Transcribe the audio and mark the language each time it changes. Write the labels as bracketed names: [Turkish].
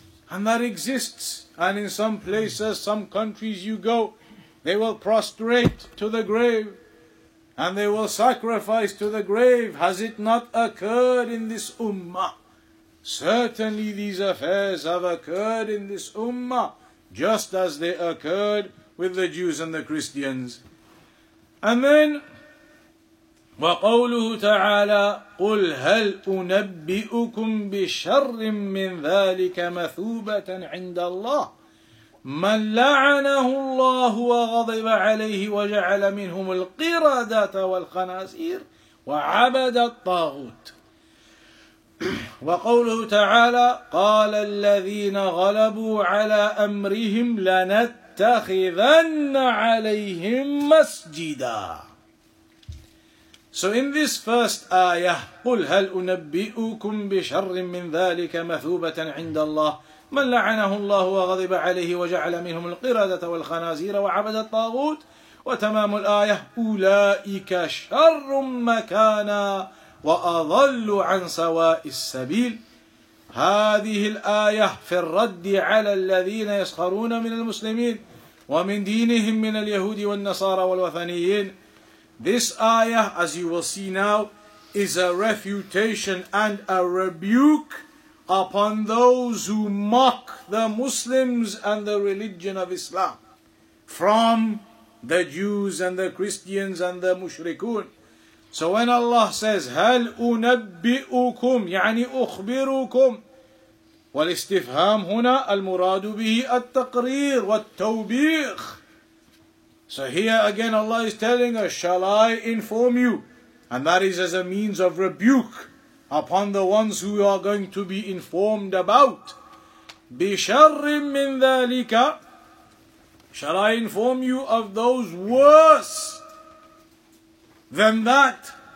[English] And that exists. And in some places, some countries you go, they will prostrate to the grave, and they will sacrifice to the grave. Has it not occurred in this ummah? Certainly these affairs have occurred in this ummah, just as they occurred with the Jews and the Christians. And then [Arabic] وقوله تعالى قل هل أنبئكم بشر من ذلك مثوبة عند الله من لعنه الله وغضب عليه وجعل منهم القردة والخنازير وعبد الطاغوت وقوله تعالى قال الذين غلبوا على أمرهم لنتخذن عليهم مسجدا. [English] So in this first ayah, [Arabic] قُلْ هَلْ أُنَبِّئُكُمْ بِشَرٍ مِّنْ ذَٰلِكَ مَثُوبَةً عِنْدَ اللَّهِ مَنْ لَعَنَهُ اللَّهُ وَغَضِبَ عَلَيْهِ وَجَعَلَ مِنْهُمُ الْقِرَدَةَ وَالْخَنَازِيرَ وَعَبَدَ الطَّاغُوتَ وَتَمَامُ الْآيَةِ أُولَٰئِكَ شَرٌ مَكَانًا وَأَضَلُّ عَنْ سَوَاءِ السَّبِيلِ. هذه الآية في الرد على الذين يسخرون من المسلمين ومن دينهم من اليهود والنصارى والوثنيين. [English] This ayah, as you will see now, is a refutation and a rebuke upon those who mock the Muslims and the religion of Islam from the Jews and the Christians and the Mushrikun. So when Allah says, [Arabic] هَلْ أُنَبِّئُكُمْ يعني أُخْبِرُكُمْ والاستفهام هنا المراد به التقرير والتوبيخ. [English] So here again Allah is telling us, shall I inform you? And that is as a means of rebuke upon the ones who you are going to be informed about. [Arabic] بِشَرٍ مِّن ذَلِكَ [English] Shall I inform you of those worse than that?